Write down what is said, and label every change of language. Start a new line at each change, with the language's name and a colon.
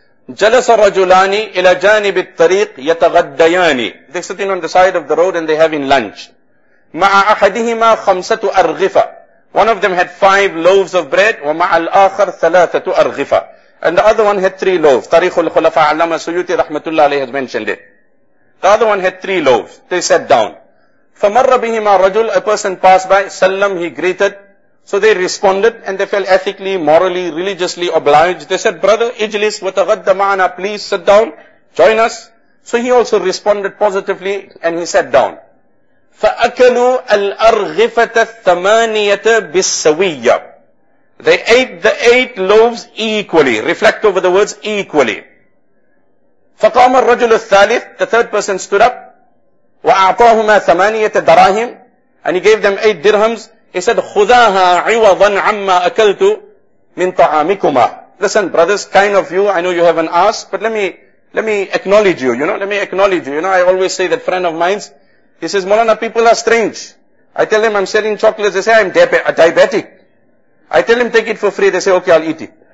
Arabic: جَلَسَ رَجُلَانِ إِلَى جَانِبِ الطَّرِيقِ يَتَغَدَّيَانِ.
English: They're sitting on the side of the road and they're having lunch.
Arabic: مَعَ أَحَدِهِمَا خَمْسَةُ أَرْغِفَ.
English: One of them had five loaves of bread.
Arabic: وَمَعَ الْآخَرِ ثَلَاثَةُ أَرْغِفَ.
English: And the other one had three loaves.
Arabic: طريق الخلفاء علامة سيوتي رحمة الله عليه
English: has mentioned it. The other one had three loaves. They sat down.
Arabic: فَمَرَّ بِهِمَا رَجُلْ.
English: A person passed by.
Arabic: سَلَّمْ.
English: He greeted. So they responded and they felt ethically, morally, religiously obliged. They said, brother,
Arabic: ijlis wa taghadda ma'ana,
English: please sit down, join us. So he also responded positively and he sat down.
Arabic: فَأَكَلُوا الْأَرْغِفَةَ الثَّمَانِيَةَ بِالسَّوِيَّةِ.
English: They ate the eight loaves equally. Reflect over the words, equally.
Arabic: فَقَامَ الرَّجُلُ الثَّالِثِ.
English: The third person stood up.
Arabic: وَأَعْطَاهُمَا ثَمَانِيَةَ دَرَاهِمْ.
English: And he gave them eight dirhams. He said,
Arabic: خُذَاهَا عِوَضًا عَمَّا أَكَلْتُ مِنْ طَعَامِكُمَا.
English: Listen, brothers, kind of you, I know you haven't asked, but let me acknowledge you, you know, let me acknowledge you. You know, I always say that friend of mine, he says, Molana, people are strange. I tell them I'm selling chocolates, they say, I'm a diabetic. I tell them, take it for free, they say, okay, I'll eat it.